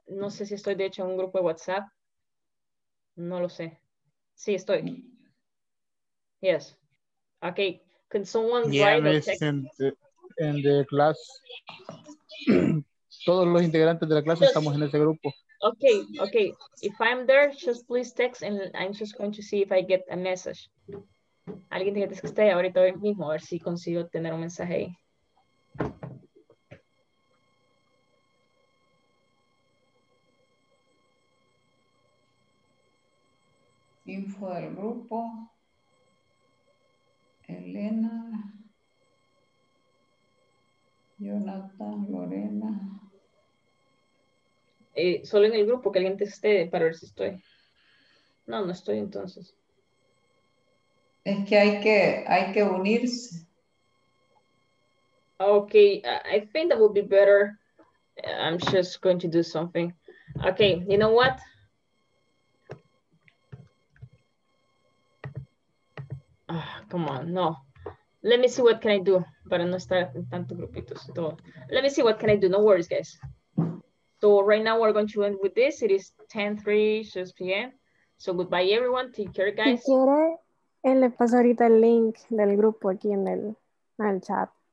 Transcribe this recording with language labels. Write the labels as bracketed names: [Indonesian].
[Spanish] No sé si estoy de hecho en un grupo de WhatsApp. No lo sé. Sí, estoy. [English] Yes. Okay. Can someone write a text? [Spanish] En [English] the class. [Spanish] Todos los integrantes de la clase estamos en ese grupo. [English] Okay, okay. If I'm there, just please text and I'm just going to see if I get a message. [Spanish] Alguien tiene que estar ahorita mismo a ver si consigo tener un mensaje ahí. Info del grupo. Elena. Jonathan, Lorena. Solo en el grupo, que alguien te esté para ver si estoy. No, no estoy entonces. Es que hay que unirse. [English] Okay, I think that would be better. I'm just going to do something. Okay, you know what? Oh, come on, no. Let me see what can I do. [Spanish] Para no estar en tanto grupitos. [English] Let me see what can I do. No worries, guys. So right now we're going to end with this. It is 10:03 p.m. So goodbye everyone. Take care, guys. [Spanish] Si quiere, él le pasó ahorita el link del grupo aquí en el chat.